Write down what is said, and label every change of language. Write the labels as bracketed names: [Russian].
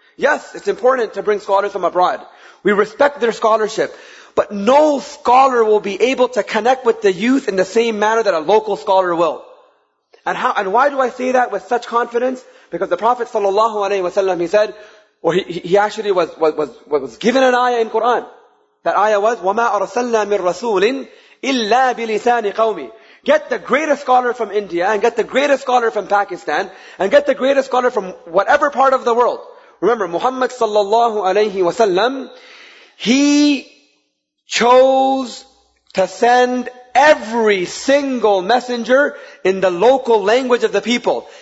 [English] Yes, it's important to bring scholars from abroad. We respect their scholarship. But no scholar will be able to connect with the youth in the same manner that a local scholar will. And why do I say that with such confidence? Because the Prophet sallallahu alaihi wasallam, he said, or he actually was given an ayah in Quran. That ayah was, [Arabic] وَمَا أَرْسَلْنَا مِنْ رَسُولٍ إِلَّا بِلِسَانِ قَوْمِ. [English] Get the greatest scholar from India, and get the greatest scholar from Pakistan, and get the greatest scholar from whatever part of the world. Remember, Muhammad sallallahu alayhi wa sallam, he chose to send every single messenger in the local language of the people.